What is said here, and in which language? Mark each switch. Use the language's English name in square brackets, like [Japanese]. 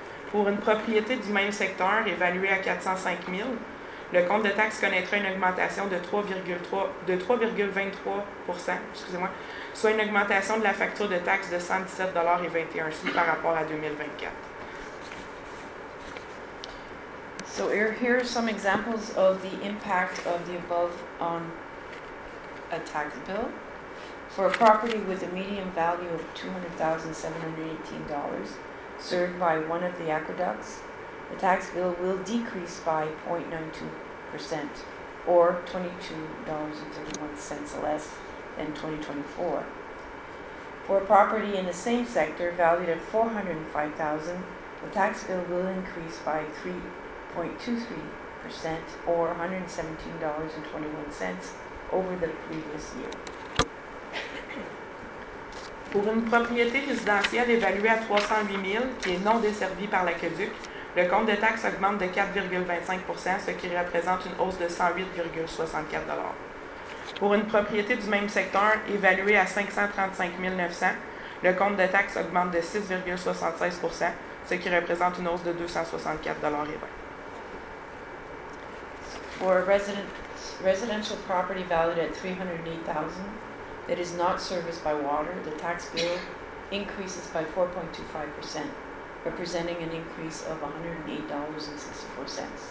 [French] Pour une propriété du même secteur évaluée à 405 000, le compte de taxe connaîtra une augmentation de 3,23 %, soit une augmentation de la facture de taxe de 117 $ 21 par rapport à 2024. [English] So here are some examples of the impact of the above on a tax bill. For a property with a median value of $200,718 served by one of the aqueducts, the tax bill will decrease by 0.92%, or $22.31 less than 2024. For a property in the same sector valued at $405,000, the tax bill will increase by 3.23%, or $117.21 over the previous year. [French] Pour une propriété résidentielle évaluée à 308 000 qui est non desservie par l'aqueduc, le compte de taxe augmente de 4,25 %, ce qui représente une hausse de 108,64 $. Pour une propriété du même secteur évaluée à 535 900, le compte de taxe augmente de 6,76 %, ce qui représente une hausse de 264 $. [English] For a residential property valued at $308,000 that is not serviced by water, the tax bill increases by 4.25 %, representing an increase of $108.64.